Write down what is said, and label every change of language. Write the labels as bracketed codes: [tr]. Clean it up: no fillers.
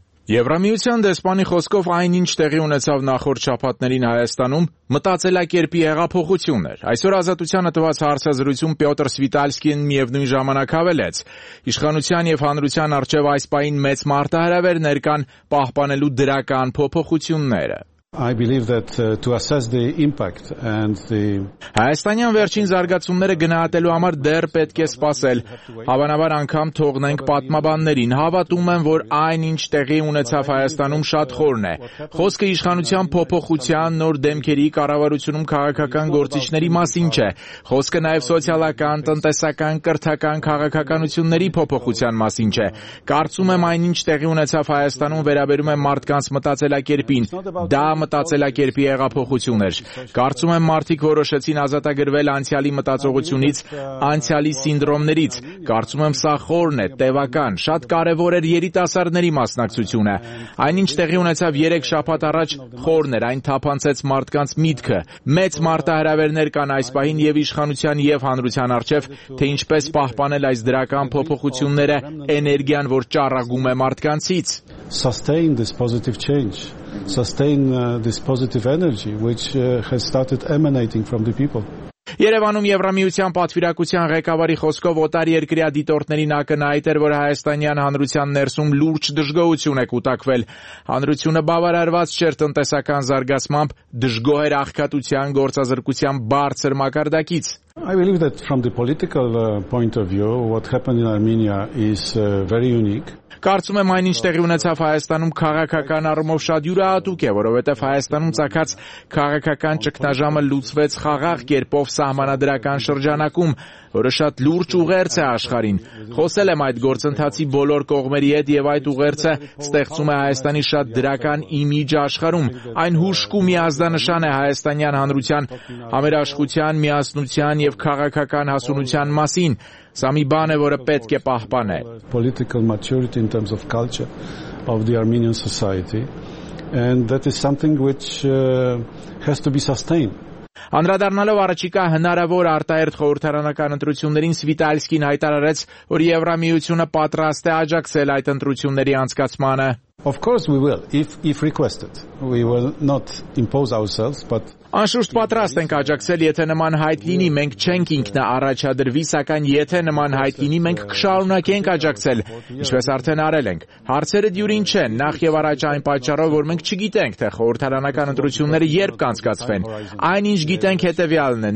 [hy] Եվրամիության դեսպանի խոսքով այնինչ տեղի ունեցավ նախորդ շաբաթներին Հայաստանում մտածելակերպի հեղափոխություն էր։ Այսօր ազատությանը տված հարցազրույցում Պյոտր Սվիտալսկին միևնույն ժամանակ հավելեց. Իշխանության եւ հանրության առջեւ այս պահին մեծ մարտահրավերներ կան պահպանելու դրական փոփոխությունները։ [en] I believe that to assess the impact and the [hy] Հայաստանյան վերջին զարգացումները գնահատելու համար դեռ պետք է սպասել։ Հավանաբար անգամ թողնենք պատմաբաններին, հավատում եմ, որ այն ինչ տեղի ունեցավ Հայաստանում շատ խորն է։ Խոսքը իշխանության փոփոխության, նոր դեմքերի կառավարությունում քաղաքական գործիչների մասին չէ։ Խոսքը նաև սոցիալական, տնտեսական, կրթական, քաղաքականությունների փոփոխության մասին չէ։ Կարծում եմ, այն ինչ տեղի ունեցավ Հայաստանում վերաբերում է մարդկանց մտածելակերպին։ Դա մտածելակերպի հեղափոխություն էր։ Կարծում եմ, մարդիկ որոշեցին ազատագրվել անցյալի մտածողությունից, անցյալի սինդրոմներից։ Կարծում եմ, սա խորն է, տևական, շատ կարևոր էր երիտասարդների մասնակցությունը։ Այնինչ տեղի ունեցավ 3 շաբաթ առաջ, խորն էր, այն թափանցեց մարդկանց միտքը։ Մեծ մարտահրավերներ կան այս պահին և իշխանության, և հանրության առջև, թե ինչպես պահպանել այս դրական փոփոխությունները, էներգիան, որ ճառագում է մարդկանցից։ [en] Sustain this positive change. Sustain this positive energy which has started emanating from the people. [hy] Երևանում Եվրամիության պատվիրակության ղեկավարի խոսքով օտար երկրյա դիտորդներին ակնհայտ էր, որ Հայաստանյան հանրության ներսում լուրջ դժգոհություն է կուտակվել։ Հանրությունը բավարարված չէր տնտեսական զարգացմամբ, դժգոհ էր աղքատության գործազրկության բարձր մակարդակից։ [en] I believe that from the political point of view, what happened in Armenia is very unique. [hy] Կարծում եմ, այնինչ տեղի ունեցավ Հայաստանում քաղաքական առումով շատ յուրահատուկ է, որովհետև Հայաստանում ցակած քաղաքական ճգնաժամը լուծվեց խաղաղ կերպով սահմանադրական շրջանակում, որը շատ լուրջ ուղերձ է աշխարհին։ Խոսել եմ այդ գործընթացի բոլոր կողմերի հետ, եւ այդ ուղերձը ստեղծում է Հայաստանի շատ դրական իմիջ աշխարհում։ Այն հուշկու մի ազդանշան է հայաստանյան հանրության համերաշխության, միասնության եւ քաղաքական հասունության մասին։ Սա մի բան է, որը պետք է պահպանե։ [en] Political maturity in terms of culture of the Armenian society, and that is something which has to be sustained. [hy] Անդրադառնալով առաջիկա հնարավոր արտահերթ խորհրդարանական ընտրություններին, Սվիտալսկին հայտարարեց, որ Եվրամիությունը պատրաստ է աջակցել այդ ընտրությունների անցկացմանը։ [en] Of course we will, if requested. We will not impose ourselves, but [hy] Անշուշտ պատրաստ ենք աջակցել, եթե նման հայտ լինի, մենք չենք ինքնը առաջադրվի, սակայն եթե նման հայտ լինի, մենք կշարունակենք աջակցել, ինչպես արդեն արել ենք։ Հարցերը դյուրին չեն, նախ եւ առաջ այն պատճառով, որ մենք չգիտենք, թե խորհրդարանական ընտրությունները երբ կանցկացվեն։ Այնինչ գիտենք հետեւյալն է.